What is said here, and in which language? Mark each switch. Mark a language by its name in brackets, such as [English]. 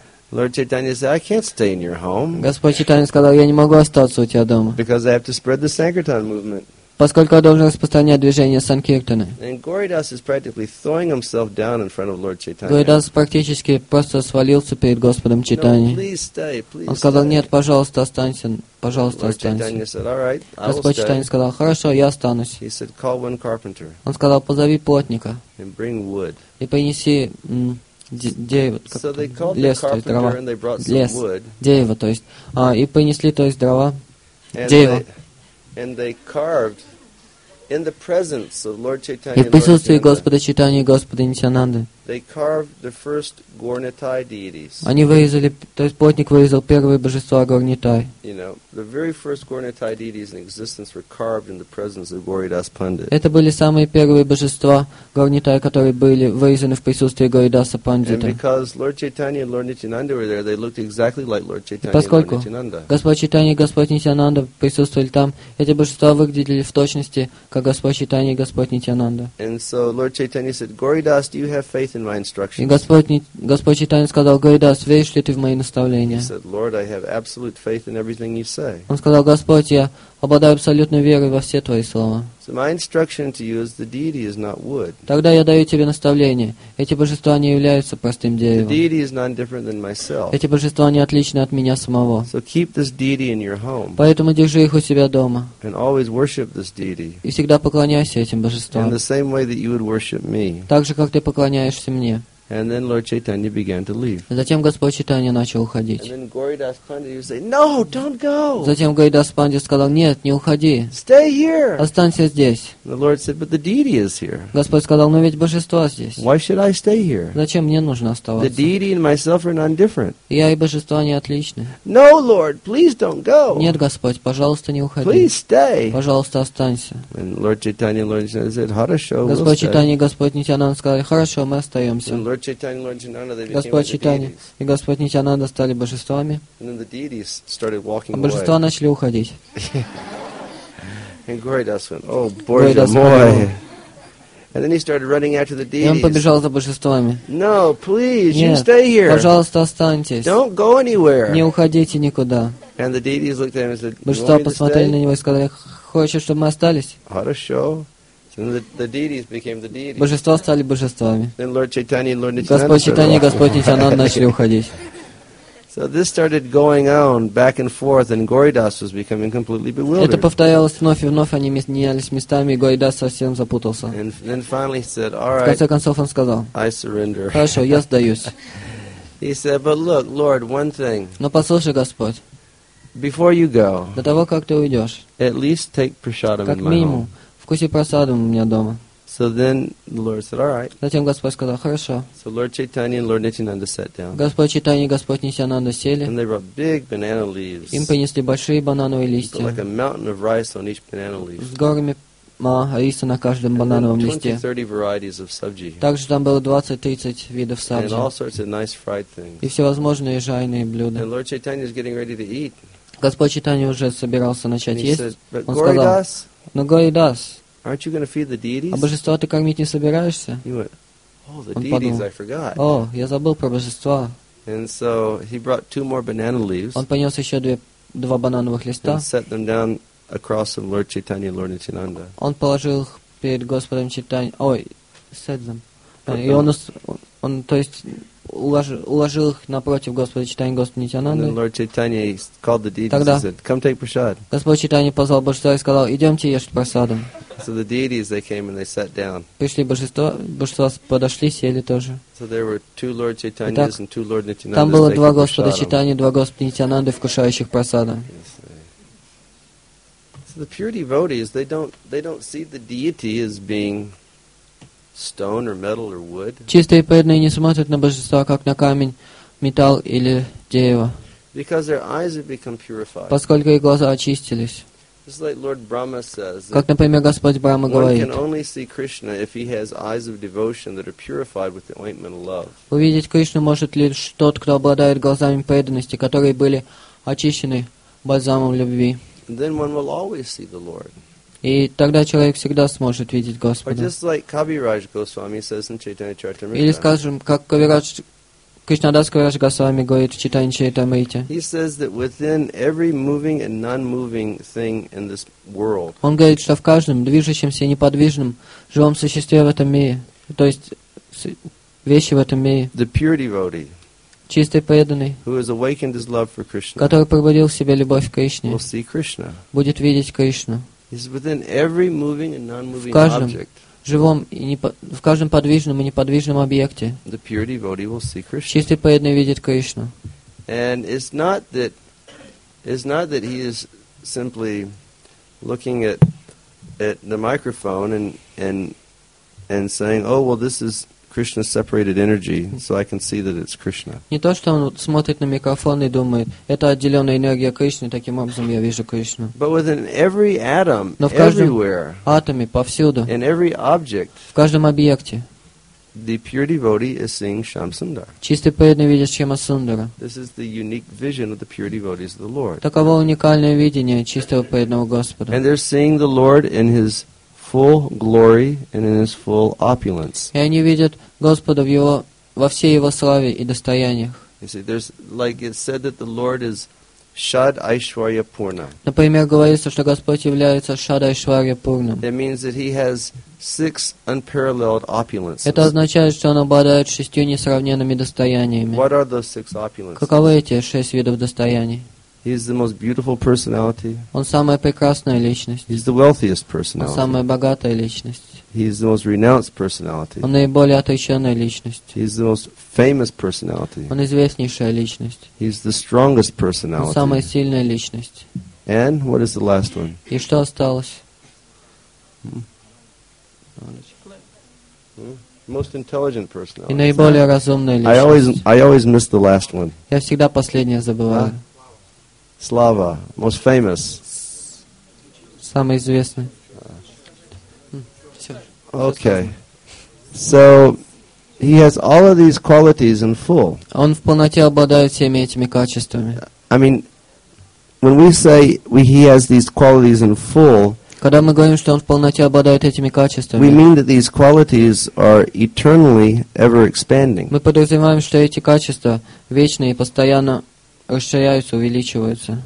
[English] Lord Chaitanya said, I can't stay in your home. [Russian] Господь Чайтанья сказал, я не могу остаться у тебя дома. [English] Because I have to spread the Sankirtan movement. [Russian] Поскольку я должен распространять движение Санкиртаны. [English] And Gauridas is practically throwing himself down in front of Lord Chaitanya. [Russian] Gauridas практически просто свалился перед Господом Чайтаньей. [English] No, please stay, please. [Russian] Он сказал, [English] stay. [Russian] Нет, пожалуйста, останься. Пожалуйста, останься. Господь Чайтанья сказал, хорошо, я останусь. [English] He said, call one carpenter. [Russian] Он сказал, позови плотника. [English] And bring wood. [Russian] И принеси дерево. [English] So they called the carpenter and they brought some wood. [Russian] Дерево, то есть. И принесли, то есть, дрова. Дерево. [English] And they carved in the presence of Lord Chaitanya. [Russian] И в присутствии Господа Чайтаньи и Господа Нитянанды. [English] They carved the first Gornitai deities. [Russian] Они вырезали, то есть плотник вырезал первые божества Горнитай. [English] You know, the very first Gornitai deities in existence were carved in the presence of Gauridas Pandit. [Russian] Это были самые первые божества Горнитай, которые были вырезаны в присутствии Гауридаса Пандита. [English] And because Lord Chaitanya and Lord Nityananda were there, they looked exactly like Lord Chaitanya and Lord Nityananda. [Russian] Поскольку Господь Чайтанья и Господь Нитянанда присутствовали там, эти божества выглядели в точности как Господь Чайтанья и Господь Нитянанда. [English] And so Lord Chaitanya said, "Gauridas, do you have faith in my instructions?" [Russian] И Господь Чайтанья сказал, Гауридас, веришь ли ты в мои наставления? [English] He said, "Lord, I have absolute faith in everything you say." [Russian] Он сказал, Господь, я обладаю абсолютной верой во все твои слова. [English] So my instruction to you is the deity is not wood. [Russian] Тогда я даю тебе наставление. Эти божества не являются простым деревом. [English] The deity is not different than myself. [Russian] Эти божества не отличны от меня самого. [English] So keep this deity in your home. [Russian] Поэтому держи их у себя дома. [English] And always worship this deity. [Russian] И всегда поклоняйся этим божествам. [English] In the same way that you would worship me. [Russian] Так же, как ты поклоняешься мне. [English] And then Lord Chaitanya began to leave. [Russian] Затем Господь Чайтанья начал уходить. [English] And then Gauridas Pandit would say, "No, don't go." [Russian] Затем Гауридас Пандит сказал, "Нет, не уходи." [English] "Stay here." [Russian] Останься здесь. [English] The Lord said, "But the deity is here." [Russian] Господь сказал, "Но ведь божество здесь." [English] "Why should I stay here?" [Russian] Зачем мне нужно оставаться? [English] "The deity and myself are not different." [Russian] Я и божество не отличны. [English] "No, Lord, please don't go." [Russian] Нет, Господь, пожалуйста, не уходи. [English] "Please stay." [Russian] Пожалуйста, останься. [English] And Lord Chaitanya and Lord Nityananda said, [Russian] "Хорошо, [English] we'll [Russian] Господь Чайтанья и Господь Нитянанда сказали, "Хорошо, мы остаемся." Господь Чайтанья и Господь Нитянанда стали божествами, а божества начали уходить. [English] And Goridas went, oh, [Russian] Боже мой. [English] And then he started running after the deities. [Russian] И он побежал за божествами. [English] No, please, you stay here. [Russian] Пожалуйста, останьтесь. [English] Don't go anywhere. [Russian] Не уходите никуда. [English] And the deities looked at him and said, [Russian] божества посмотрели на него и сказали, хочешь, чтобы мы остались? Хорошо. [English] And the deities became the deities. [Russian] Божества стали божествами. [English] Then Lord Chaitanya and Lord Nityananda. [Russian] Господь Чайтанья и Господь Нитянанда начали уходить. [English] So this started going on back and forth, and Goridas was becoming completely bewildered. [Russian] Это повторялось вновь и вновь, они менялись местами, и Горидас совсем запутался. [English] And then finally he said, "All right." [Russian] В конце концов он сказал, [English] "I surrender." [Russian] Хорошо, я сдаюсь. [English] He said, "But look, Lord, one thing." [Russian] Но послушай, Господь. [English] Before you go. [Russian] До того, как ты уйдешь. [English] At least take prasadam in my home. [Russian] Как минимум, вкуси прасадом у меня дома. [English] So then the Lord said, "All right." [Russian] Затем Господь сказал, "Хорошо." [English] So Lord Chaitanya and Lord Nityananda sat down. [Russian] Господь Чайтанья и Господь Нитянанда сели. [English] And they brought big banana leaves. [Russian] Им принесли большие банановые листья. [English] Like a mountain of rice on each banana leaf. [Russian] С горами риса на каждом банановом листе. [English] 20-30 varieties of subji. [Russian] Также там было 20-30 видов сабжи. [English] And all sorts of nice fried things. [Russian] И всевозможные жареные блюда. [English] And Lord Chaitanya is getting ready to eat. [Russian] Господь Чайтанья уже собирался начать есть. Он сказал, "Но Горидас." [English] Aren't you going to feed the deities? [Russian] А божества ты кормить не собираешься? [English] He went, oh, the deities, [Russian] подумал, [English] I forgot. [Russian] О, я забыл про божества. [English] And so he brought two more banana leaves. [Russian] Он понес еще два банановых листа. [English] And set them down across from Lord Chaitanya and Lord Nityananda. [Russian] Он положил их перед Господом Чайтанья. [English] Ой, set them. [Russian] И он то есть уложил их напротив Господа Чайтанья и Господа Нитянанды. [English] Lord Chaitanya called the deities and said, "Come take prasad." [Russian] Господь Чайтанья позвал божества и сказал, "Идемте ешь прасадом." [English] So the deities, they came and they sat down. [Russian] Пришли божества, божества подошли, сели тоже. [English] So there were two Lord Chaitanyas and two Lord Nityananda. [Russian] Там было два Господа Чайтанья, два Господа Нитянанды, вкушающих прасада. [English] So the pure devotees, they don't see the deity as being stone or metal or wood. [Russian] Чистые преданные не смотрят на божества как на камень, металл или дерево. [English] Because their eyes have become purified. [Russian] Поскольку их глаза очистились. [English] Just like Lord Brahma says, [Russian] как, например, Господь Брама говорит, [English] one can only see Krishna if he has eyes of devotion that are purified with the ointment of love. [Russian] Увидеть Кришну может лишь тот, кто обладает глазами преданности, которые были очищены бальзамом любви. [English] Then one will always see the Lord. [Russian] И тогда человек всегда сможет видеть Господа. [English] Just like Kaviraj Goswami says in Chaitanya Charitamrita. [Russian] Или скажем, как Кавирадж Кришнадас Кавирадж Госвами говорит в Читании Чайтамрите. [English] He says that within every moving and non-moving thing in this world. [Russian] Он говорит, что в каждом движущемся и неподвижном живом существе в этом мире, то есть вещи в этом мире. [English] The pure devotee. [Russian] Чистый преданный. [English] Who has awakened his love for Krishna. [Russian] Который пробудил в себе любовь к Кришне. [English] Will see Krishna. [Russian] Будет видеть Кришну. [English] He says within every moving and non-moving object. [Russian] В каждом подвижном и неподвижном объекте чистый преданный видит Кришну. [English] And it's not that he is simply looking at the microphone and saying, "Oh, well, this is Krishna's separated energy, so I can see that it's Krishna." [Russian] Не то, что он смотрит на микрофон и думает, это отделенная энергия Кришны, таким образом я вижу Кришну. [English] But within every atom, [Russian] но в каждом [English] everywhere, [Russian] атоме, повсюду, [English] in every object, [Russian] в каждом объекте, [English] the pure devotee is seeing Shamsundar. [Russian] Чистый преданный видит Шамасундара. [English] This is the unique vision of the pure devotees of the Lord. [Russian] Таково уникальное видение чистого преданного Господа. [English] And they're seeing the Lord in His full glory and in His full opulence. [Russian] И они видят Господа в его во всей его славе и достояниях. [English] You see, there's like it said that the Lord is Shad Aishwarya Purna. [Russian] Например, говорится, что Господь является Шад Айшварья Пурна. [English] It means that He has six unparalleled opulences. [Russian] Это означает, что Он обладает шестью несравненными достояниями. [English] What are those six opulences? [Russian] Каковы эти шесть видов достояний? [English] He is the most beautiful personality. [Russian] Он самая прекрасная личность. [English] He's the wealthiest personality. [Russian] Он самая богатая личность. [English] He is the most renounced personality. [Russian] Он наиболее отреченная личность. [English] He is the most famous personality. [Russian] Он известнейшая личность. [English] He is the strongest personality. [Russian] Он самая сильная личность. [English] And what is the last one? [Russian] И что осталось? [English] Most intelligent personality. [Russian] И наиболее разумная личность. [English] I always miss the last one. [Russian] Я всегда последнее забываю. [English] Slava, most famous. [Russian] Самый известный. [English] Okay. So, he has all of these qualities in full. [Russian] Он в полноте обладает всеми этими качествами. [English] I mean, when we say he has these qualities in full, [Russian] Когда мы говорим, что он в полноте обладает этими качествами, [English] we mean that these qualities are eternally ever expanding. [Russian] Мы подразумеваем, что эти качества вечные и постоянно расширяются, увеличиваются.